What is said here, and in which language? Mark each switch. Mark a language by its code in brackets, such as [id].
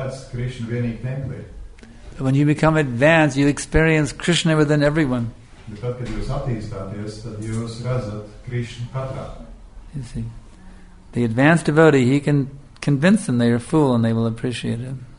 [en] But when you become advanced, you experience Krishna within everyone. [lv] Bet tad, kad jūs attīstāties, tad jūs redzat Krishna katrā. [en] You see. the advanced devotee, he can convince them they are a fool and they will appreciate it.